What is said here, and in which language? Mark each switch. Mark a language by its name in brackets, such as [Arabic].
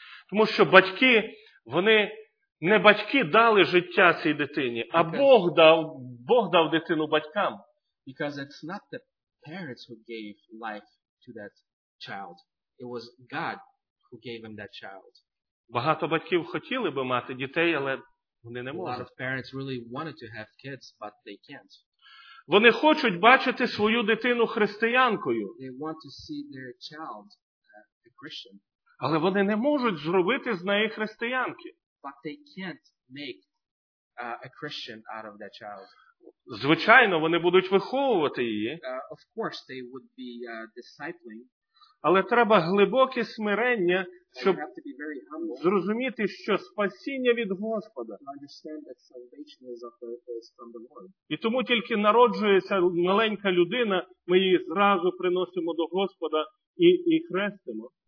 [Ukrainian] Тому що батьки, вони не батьки дали життя цій дитині, а Бог дав дитину батькам. [English] Because it's not the parents who gave life to that child. It was God who gave him that child. [Ukrainian] Багато батьків хотіли би мати дітей, але вони не можуть. [English] A lot of parents really wanted to have kids, but they can't. [Ukrainian] Вони хочуть бачити свою дитину християнкою. [English] They want to see their child a Christian. [Ukrainian] Але вони не можуть зробити з неї християнки. [English] But they can't make a Christian out of that child. [Ukrainian] Звичайно, вони будуть виховувати її. [English] Of course they would be discipling. [Ukrainian] Але треба глибоке смирення, щоб зрозуміти, що спасіння від Господа. [English] Understand that salvation is from the Lord. [Ukrainian] І тому тільки народжується маленька людина, ми її зразу приносимо до Господа і хрестимо.